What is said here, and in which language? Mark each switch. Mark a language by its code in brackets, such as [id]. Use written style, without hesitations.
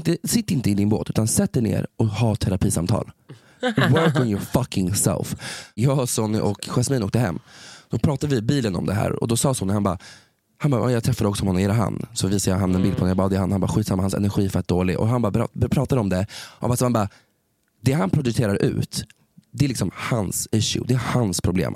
[sv] Sitt inte i din båt, utan sätt dig ner och ha terapisamtal. [en] Work on your fucking self. [sv] Jag, Sonny och Jasmine åkte hem. Då pratade vi i bilen om det här. Och då sa Sonny, han bara, jag träffade också honom, är det han? Så visade jag honom en bild på honom. Jag bara, det är han. Han bara, skitsamma, hans energi är fett dålig. Och han bara, pratade om det. Och så han bara, det han producerar ut, det är liksom hans issue. Det är hans problem.